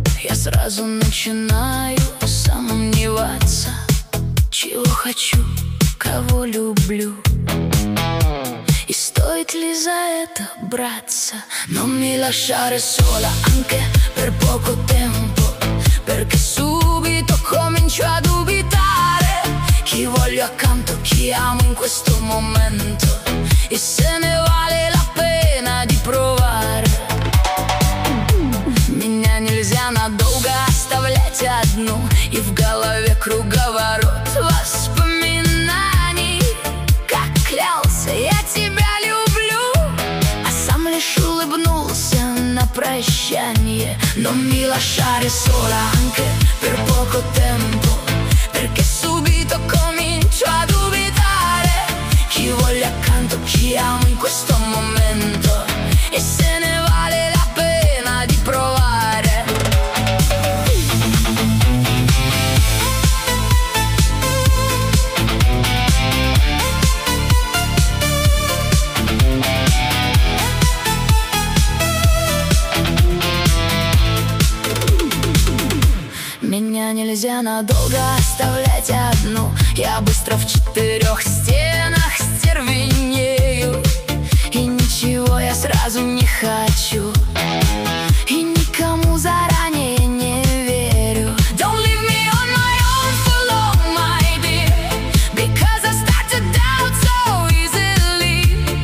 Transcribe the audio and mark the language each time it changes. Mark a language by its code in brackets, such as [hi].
[ru] Сразу начинаю сомневаться, чего хочу, кого люблю. И стоит ли за это браться? [it] Non mi lasciare sola anche per poco tempo, perché subito comincio a dubitare. Chi voglio accanto, chi amo in questo momento, e se ne vale la pena di provare. [ru] Меня нельзя надолго оставлять одну, и в голове круговорот воспоминаний. Как клялся я тебя люблю, а сам лишь улыбнулся на прощание. [it] Но mi lasciare sola anche per poco tempo, perché subito comincio a dubitare. Chi voglio accanto, chi amo in questo momento, e se ne vale la pena di provare. [ru] Нельзя надолго оставлять одну, я быстро в четырех стенах стервенею. И ничего я сразу не хочу, и никому заранее не верю. [en] Don't leave me on my own for long, my dear, because I start to doubt so easily.